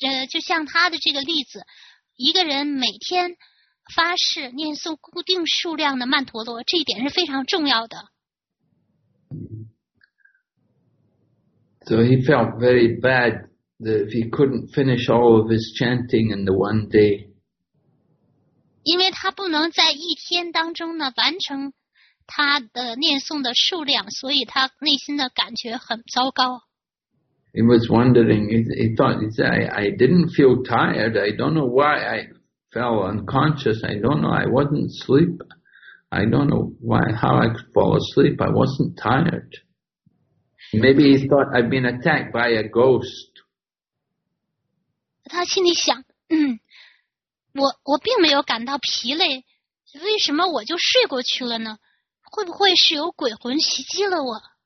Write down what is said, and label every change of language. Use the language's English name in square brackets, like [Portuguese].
[Chinese] 就像他的这个例子，一个人每天发誓念诵固定数量的曼陀罗，这一点是非常重要的。 [English] So he felt very bad that if he couldn't finish all of his chanting in the one day. [Chinese] 因为他不能在一天当中呢完成他的念诵的数量，所以他内心的感觉很糟糕。 [English] He was wondering, he thought, he said, I didn't feel tired. I don't know why I fell unconscious. I don't know. I wasn't asleep. I don't know why, how I could fall asleep. I wasn't tired. Maybe he thought I'd been attacked by a ghost. [Chinese] 他心里想，我并没有感到疲累，为什么我就睡过去了呢？会不会是有鬼魂袭击了我？